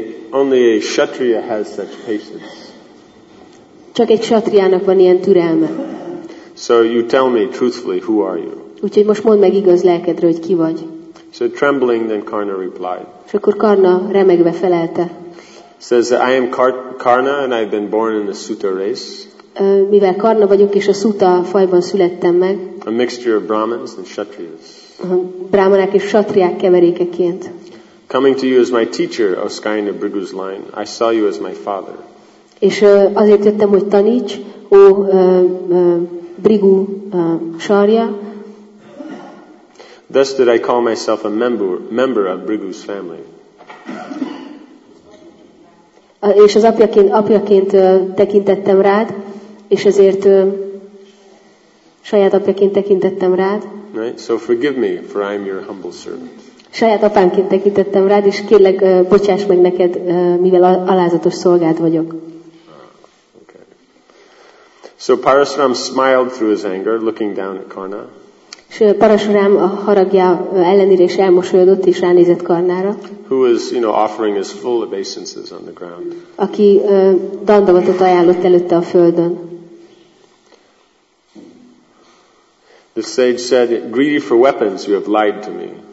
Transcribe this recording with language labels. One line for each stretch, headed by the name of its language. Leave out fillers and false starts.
English: Only a kshatriya has such patience.
Hungarian: Csak egy kshatriának van ilyen türelme.
English: So you tell me truthfully, who are you?
Hungarian: Úgyhogy most mondd meg igaz lelkedről, hogy ki vagy.
English: So trembling, then Karna replied.
Hungarian: És akkor Karna remegve felelte.
English: Says that I am Karna and I've been born in the Suta race.
Hungarian: Mivel Karna vagyok és a Suta fajban születtem meg.
English: A mixture of Brahmins and Kshatriyas.
Hungarian: Brahmanák és Kshatriyák keverékeként.
English: Coming to you as my teacher, O Skyne of Bhrigu's line, I saw you as my father.
Hungarian: És azért jöttem, hogy taníts, ó Bhrigu Sarja.
English: Thus did I call myself a member of Bhrigu's family.
Hungarian: És az apjaként tekintettem rád, és ezért saját apjaként tekintettem rád.
English: Right? So forgive me, for I am your humble servant.
Hungarian: Saját apánként tekintettem rád, és kérlek, bocsáss meg neked, mivel alázatos szolgád vagyok.
English: Okay. So Parasram smiled through his anger, looking down at Karna.
Hungarian: És Parasram a haragja ellenére is elmosolyodott, és ránézett Karnára.
English: Who was, you know, offering his full obeisances on the ground.
Hungarian: Aki dandavatot ajánlott előtte a földön.
English: The sage said, "Greedy for weapons, you have lied to me."